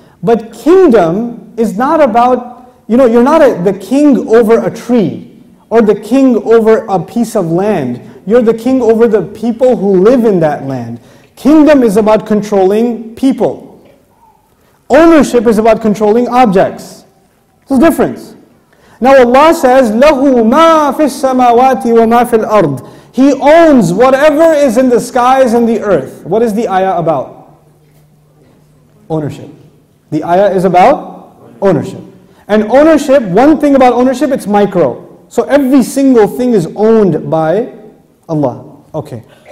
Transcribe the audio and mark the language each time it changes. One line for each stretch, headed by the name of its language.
English: But kingdom is not about, you're not the king over a tree or the king over a piece of land. You're the king over the people who live in that land. Kingdom is about controlling people. Ownership is about controlling objects. There's a difference. Now Allah says,
Arabic: لَهُ مَا فِي السَّمَاوَاتِ وَمَا فِي الْأَرْضِ.
English: He owns whatever is in the skies and the earth. What is the ayah about? Ownership. The ayah is about ownership. And ownership, one thing about ownership, it's micro. So every single thing is owned by Allah. Okay.